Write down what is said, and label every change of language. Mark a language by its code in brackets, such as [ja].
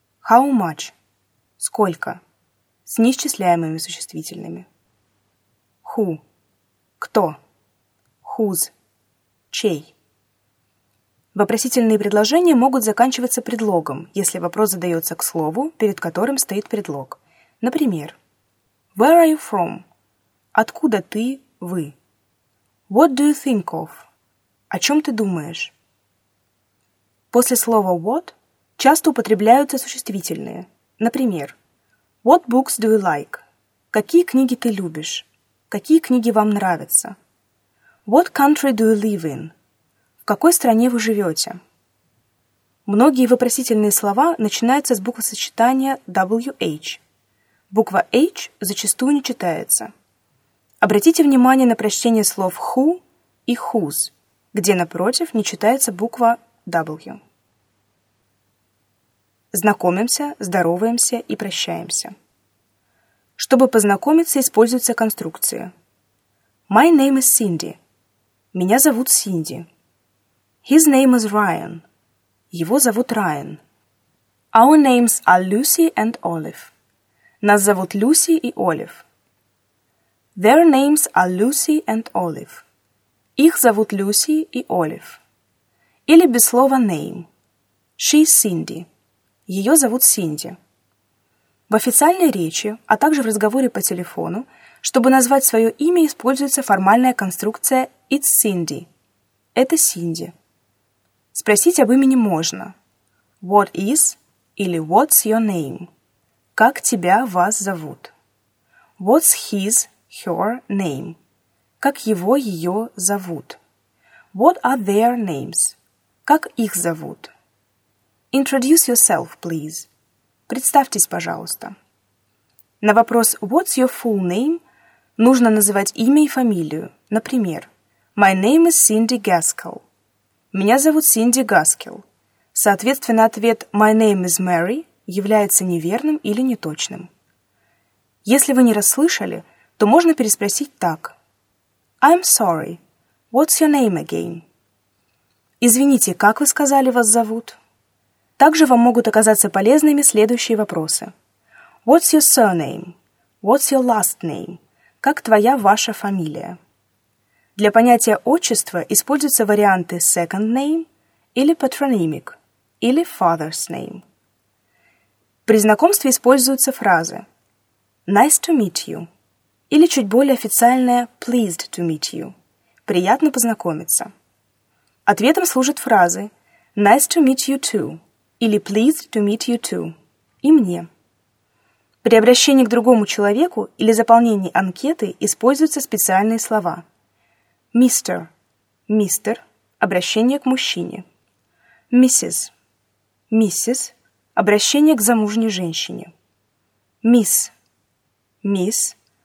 [en] How much? [ru] Сколько? С неисчисляемыми существительными. [en] Who? [ru] Кто? Whose? Чей? Вопросительные предложения могут заканчиваться предлогом, если вопрос задается к слову, перед которым стоит предлог. [en] Например, Where are you from? [ru] Откуда ты, вы? [en] What do you think of? [ru] О чем ты думаешь? После слова what часто употребляются существительные. [en] Например, What books do you like? [ru] Какие книги ты любишь? Какие книги вам нравятся? [en] What country do you live in? [ru] В какой стране вы живете? Многие вопросительные слова начинаются с буквосочетания WH. Буква H зачастую не читается. Обратите внимание на прочтение слов who и whose, где напротив не читается буква W. Знакомимся, здороваемся и прощаемся. Чтобы познакомиться, используется конструкция. [en] My name is Cindy. [ru] Меня зовут Синди. [en] His name is Ryan. [ru] Его зовут Райан. [en] Our names are Lucy and Olive. [ru] Нас зовут Люси и Олив. [en] Their names are Lucy and Olive. [ru] Их зовут Люси и Олив. Или без слова name. [en] She's Cindy. [ru] Ее зовут Синди. В официальной речи, а также в разговоре по телефону, чтобы назвать свое имя, используется формальная конструкция [en] It's Cindy. [ru] Это Синди. Спросить об имени можно. [en] What is или what's your name? [ru] Как тебя, вас зовут? [en] What's his, her name? [ru] Как его, ее зовут? [en] What are their names? [ru] Как их зовут? [en] Introduce yourself, please. [ru] Представьтесь, пожалуйста. На вопрос [en] What's your full name? [ru] Нужно называть имя и фамилию. [en] Например, My name is Cindy Gaskell. [ru] Меня зовут Синди Гаскелл. Соответственно, ответ [en] My name is Mary [ru] является неверным или неточным. Если вы не расслышали, то можно переспросить так. [en] I'm sorry. What's your name again? [ru] Извините, как вы сказали, вас зовут? Также вам могут оказаться полезными следующие вопросы. [en] What's your surname? What's your last name? [ru] Как твоя, ваша фамилия? Для понятия отчества используются варианты second name или patronymic, или father's name. При знакомстве используются фразы [en] nice to meet you [ru] или чуть более официальное [en] pleased to meet you [ru] – приятно познакомиться. Ответом служат фразы [en] nice to meet you too [ru] или [en] pleased to meet you too [ru] и мне. При обращении к другому человеку или заполнении анкеты используются специальные слова – Мистер. Мистер. Обращение к мужчине. Миссис. Миссис. Обращение к замужней женщине. Мисс. Мисс.